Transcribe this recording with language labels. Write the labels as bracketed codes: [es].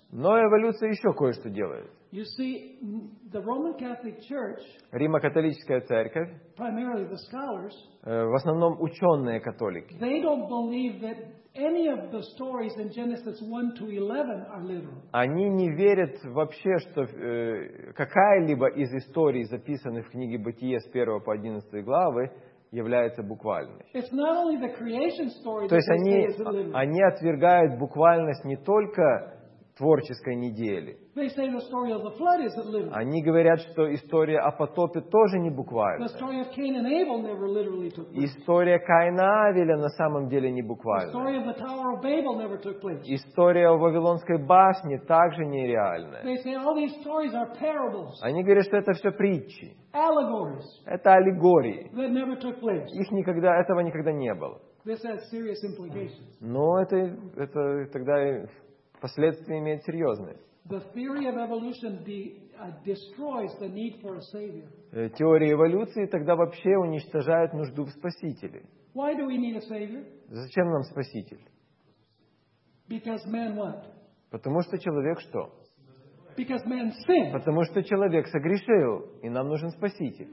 [ru] Но эволюция еще кое-что делает. [en] You see, the Roman Catholic Church, [ru] Римо-католическая церковь, [en] primarily the scholars, [ru] в основном ученые католики, [en] they don't believe that any of the stories in Genesis 1 to 11 are literal. [ru] Они не верят вообще, что какая-либо из историй, записанных в книге Бытие с 1 по 11 главы, является буквальной. [en] It's not only the creation story. [ru] То есть они отвергают буквальность не только творческой недели. [en] They say the story of the flood isn't literal. [ru] Они говорят, что история о потопе тоже не буквальная. [en] The story of Cain and Abel never literally took place. [ru] История Каина и Авеля на самом деле не буквальная. [en] The story of the Tower of Babel never took place. [ru] История о Вавилонской башне также нереальная. [en] They say all these stories are parables. [ru] Они говорят, что это все притчи. [en] Allegories. [ru] Это аллегории. [en] That never took place. [ru] Этого никогда не было. [en] This has serious implications. [ru] Но это тогда последствия имеют серьезные. [en] The theory of evolution destroys the need for a savior. [ru] Теория эволюции тогда вообще уничтожает нужду в спасителе. [en] Why do we need a savior? [ru] Зачем нам спаситель? [en] Because man what? [ru] Потому что человек что? [en] Because man sinned. [ru] Потому что человек согрешил, и нам нужен спаситель.